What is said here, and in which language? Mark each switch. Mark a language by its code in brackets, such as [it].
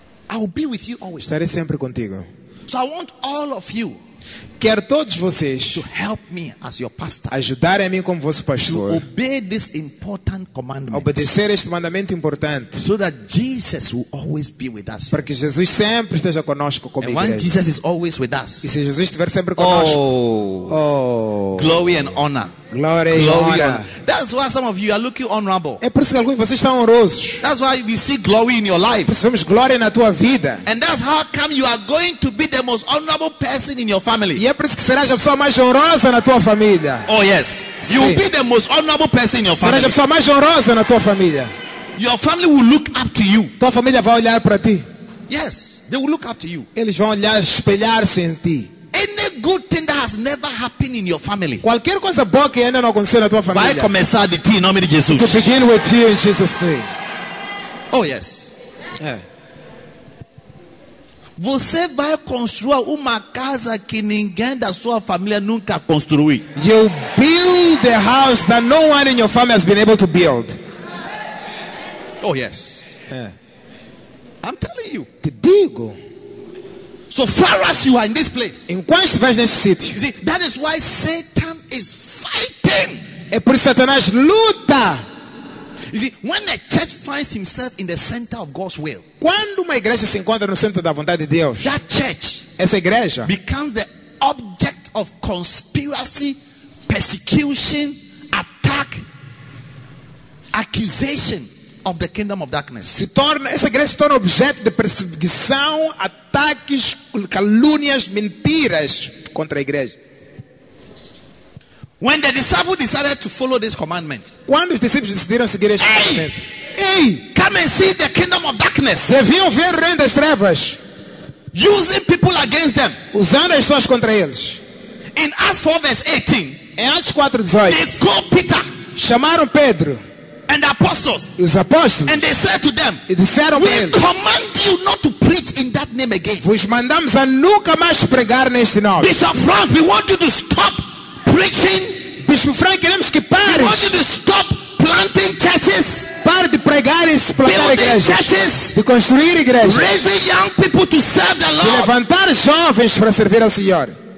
[en] I will be with you always. [pt] Estarei sempre contigo. [en] So I want all of you. [pt] Quero todos vocês [en] to help me as your pastor. [pt] Ajudar a mim como vosso pastor. [en] To obey this important commandment. [pt] Obedecer este mandamento importante. [en] So that Jesus will always be with us. [pt] Para que Jesus sempre esteja conosco como igreja. [en] And when Jesus is always with us. [pt] E se Jesus estiver sempre conosco. Oh. Oh. [en] Glory and honor. [pt] Glória e honra. [en] That's why some of you are looking honorable. [pt] É por isso que alguns de vocês estão honrosos. [en] That's why we see glory in your life. [pt] Por isso vemos glória na tua vida. [en] And that's how come you are going to be the most honorable person in your family. [pt] E é por isso que serás a pessoa mais honrosa na tua família. [en] Oh yes. [pt] Sim. [en] You will be the most honorable person in your family. [pt] Serás a pessoa mais honrosa na tua família. [en] Your family will look up to you. [pt] Tua família vai olhar para ti. [en] Yes. They will look up to you. [pt] Eles vão olhar, espelhar-se em ti. [en] Any good thing that has never happened in your family. [pt] Qualquer coisa boa que ainda não aconteceu na tua família. Vai começar de ti em nome de Jesus. [en] To begin with you in Jesus' name. Oh yes. Yeah. [pt] Você vai construir uma casa que ninguém da sua família nunca construiu. [en] You build a house that no one in your family has been able to build. Oh yes. Yeah. I'm telling you. [pt] Te digo. [en] So far as you are in this place. [pt] Enquanto estiveres neste sítio. [en] You see, that is why Satan is fighting. [pt] É por isso que Satanás luta. [en] You see, when a church finds himself in the center of God's will. [pt] Quando uma igreja se encontra no centro da vontade de Deus. [en] That church. [pt] Essa igreja. [en] Becomes the object of conspiracy, persecution, attack, accusation of the kingdom of darkness. [pt] Se torna, essa igreja se torna objeto de perseguição, ataques, calúnias, mentiras contra a igreja. [en] When the disciples decided to follow this commandment. [pt] Quando os discípulos decidiram seguir este mandamento. [en] Hey, come and see the kingdom of darkness. [pt] Deviam ver o reino das trevas. [en] Using people against them. [pt] Usando as pessoas contra eles. [en] In Acts 4 verse 18. [pt] Em Atos 4 verse 18. [en] They called Peter. [pt] Chamaram Pedro. [en] And the apostles. [pt] E os apóstolos. [en] And they said to them. [pt] E disseram [en] we [pt] a eles. [en] We command you not to preach in that name again. [pt] Vos mandamos a nunca mais pregar neste nome. [en] Bishop Frank, we want you to stop preaching. [pt] Bispo Frank, queremos que pares. [en] We want you to stop planting churches. [pt] Pare de pregar e plantar igrejas. [en] Churches, [pt] de construir igrejas. [en] Raising young people to serve the Lord. [pt] De levantar jovens para servir ao Senhor.